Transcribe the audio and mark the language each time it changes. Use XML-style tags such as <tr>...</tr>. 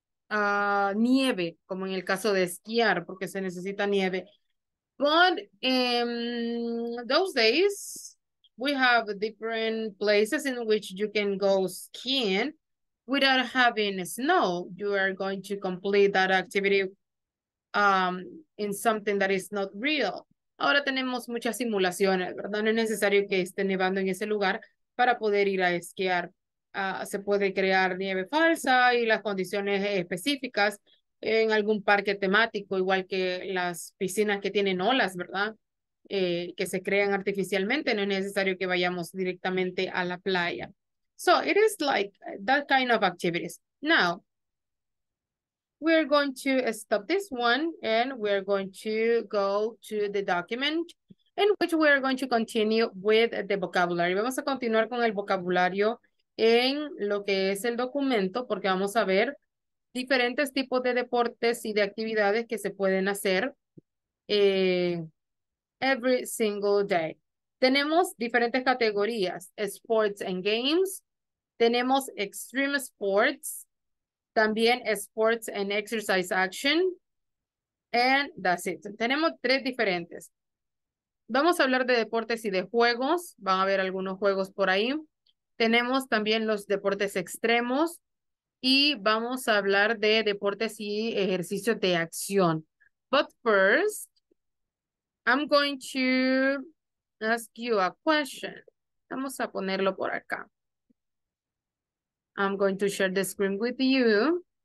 <es>Nieve, como en el caso de esquiar, porque se necesita nieve.</es> <en>But those days, we have different places in which you can go skiing without having snow. You are going to complete that activity in something that is not real.</en> <es>Ahora tenemos muchas simulaciones, ¿verdad? No es necesario que esté nevando en ese lugar para poder ir a esquiar. Se puede crear nieve falsa y las condiciones específicas en algún parque temático, igual que las piscinas que tienen olas, ¿verdad? Que se crean artificialmente, no es necesario que vayamos directamente a la playa.</es> <en>So, it is like that kind of activities. Now, we are going to stop this one and we are going to go to the document in which we are going to continue with the vocabulary.</en> <es>Vamos a continuar con el vocabulario en lo que es el documento porque vamos a ver diferentes tipos de deportes y de actividades que se pueden hacer</es> <en>every single day.</en> <es>Tenemos diferentes categorías,</es> <en>sports and games. Tenemos extreme sports. También sports and exercise action. And that's it.</en> <es>Tenemos tres diferentes. Vamos a hablar de deportes y de juegos. Van a haber algunos juegos por ahí. Tenemos también los deportes extremos. Y vamos a hablar de deportes y ejercicios de acción.</es> <en>But first, I'm going to ask you a question.</en> <es>Vamos a ponerlo por acá.</es> <en>I'm going to share the screen with you.</en>